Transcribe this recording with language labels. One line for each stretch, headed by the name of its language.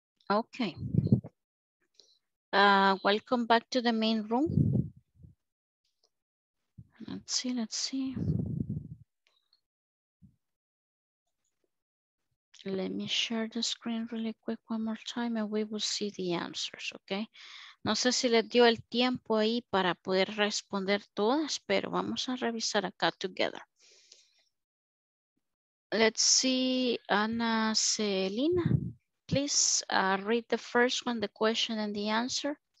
English: Okay. Welcome back to the main room. Let's see, let's see. Let me share the screen really quick one more time and we will see the answers, okay?
Spanish: No sé si les dio el tiempo ahí para poder responder todas, pero vamos a revisar acá together.
English: Let's see, Ana Celina, please read the first one, the question and the answer.